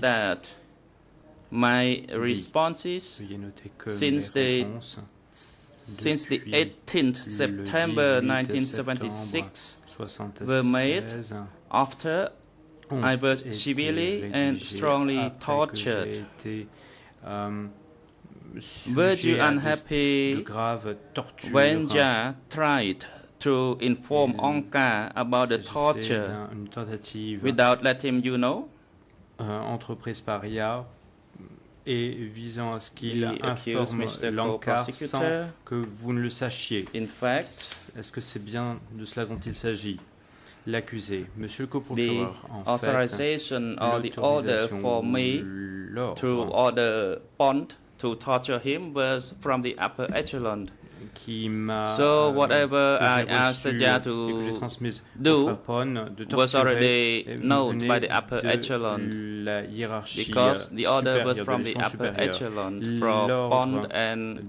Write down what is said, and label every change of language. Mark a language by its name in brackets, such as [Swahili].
[English] that my responses since the 18th September 1976 were made after I was severely and strongly tortured. Were you unhappy when Ya tried to inform Anka about the torture without letting you know? [French] Entreprise par Ya et visant à ce qu'il informe l'Anka sans que vous ne le sachiez. [English] In fact, [French] est-ce que c'est bien de cela dont il s'agit? L'accusé, Monsieur le co-procureur, en [English] authorization [French] fait, [English] or the order for me to order Bond to torture him was from the upper echelon. [French] Qui m'a, [English] so whatever I asked Ya to do was already known by the upper echelon because the order was from the upper echelon from Bond and